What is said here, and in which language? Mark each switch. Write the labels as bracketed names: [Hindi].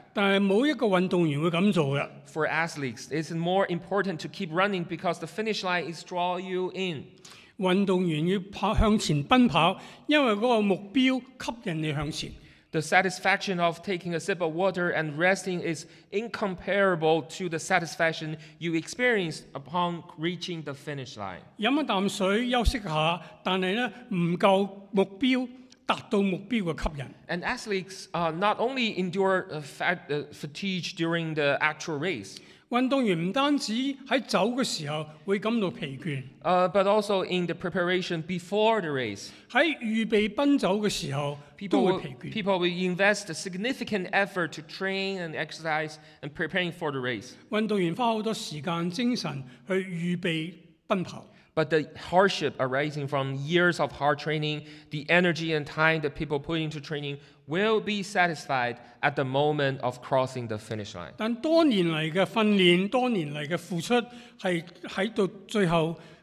[Cantonese] 但係冇一個運動員會咁做嘅。 [English] For athletes, it's more important to keep running because the finish line is draw you in. [Cantonese] 運動員要向前奔跑，因為嗰個目標吸引你向前。 [English] The satisfaction of taking a sip of water and resting is incomparable to the satisfaction you experience upon reaching the finish line. [Cantonese] 飲一口水休息一下，但係呢唔夠目標達到目標嘅吸引。 [English] And athletes not only endure fatigue during the actual race. [Cantonese] 運動員唔單止喺走嘅時候會感到疲倦。 [English] But also in the preparation before the race. [Cantonese] 喺預備奔走嘅時候。 [English] People will invest a significant effort to train and exercise and preparing for the race. [Cantonese] 運動員花好多時間精神去預備奔跑。 [English] But the hardship arising from years of hard training, the energy and time that people put into training will be satisfied at the moment of crossing the finish line. [Cantonese] 但多年來的訓練，多年來的付出，係喺到最後。